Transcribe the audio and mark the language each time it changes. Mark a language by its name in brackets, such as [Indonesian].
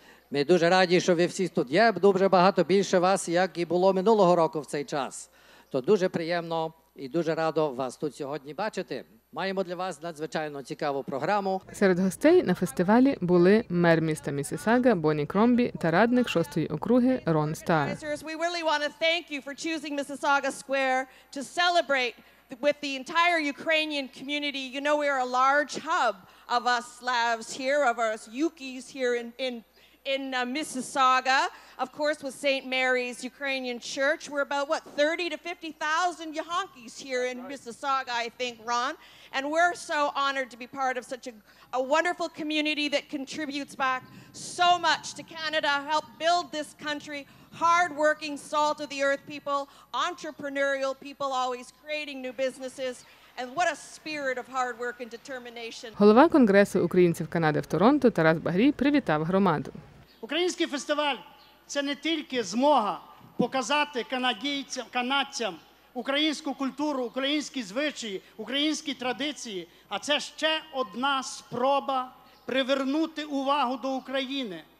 [Ukrainian] Ми дуже раді, що ви всі тут є, дуже багато більше вас, як і було минулого року в цей час. То дуже приємно і дуже радо вас тут сьогодні бачити. Маємо для вас надзвичайно цікаву програму. Серед гостей на фестивалі були мер міста Міссісага Бонні Кромбі та радник 6-ї округи Рон Стар. [English] We really want to thank you for choosing Mississauga Square to celebrate with the entire Ukrainian community. You know we are a large hub of us Slavs here, of us Yukis here in Mississauga. Of course, with St. Mary's Ukrainian Church, we're about, 30 to 50,000 Yahonkis here in Mississauga, I think, Ron. And we're so honored to be part of such a wonderful community that contributes back so much to Canada, help build this country, hardworking, salt-of-the-earth people, entrepreneurial people, always creating new businesses. And what a spirit of hard work and determination. [Ukrainian] Голова Конгресу українців Канади в Торонто Тарас Багрій привітав громаду. Український фестиваль – це не тільки змога показати канадцям, українську культуру, українські звичаї, українські традиції, а це ще одна спроба привернути увагу до України.